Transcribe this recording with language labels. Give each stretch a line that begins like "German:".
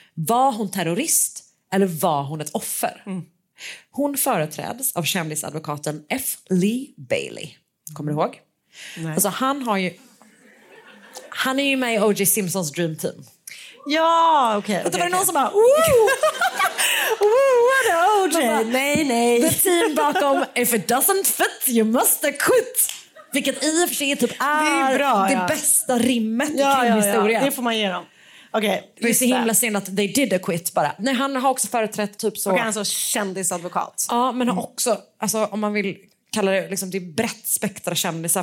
Swedish: Var hon terrorist eller var hon ett offer? Mm. Hon företräds av kändisadvokaten F. Lee Bailey. Kommer du ihåg? Nej. Alltså han har ju... Han är ju med i O.J. Simpsons Dream Team. Ja, okej. Okay, okay, var det någon som bara... Woo!
English: Woo, what a O.J.
Swedish: Bara, nej, nej.
English: The team
Swedish: bakom,
English: if it doesn't fit, you must acquit.
Swedish: Vilket i och för sig typ är bra, det bästa rimmet i krimhistorien. Ja, det får man ge dem. Okay, det är så himla synd att
English: they did acquit
Swedish: bara. Nej, han har också företrätt typ så... Och han är en sån kändisadvokat. Ja, men har också, alltså, om man vill kalla det liksom, det är brett spektra kändisar.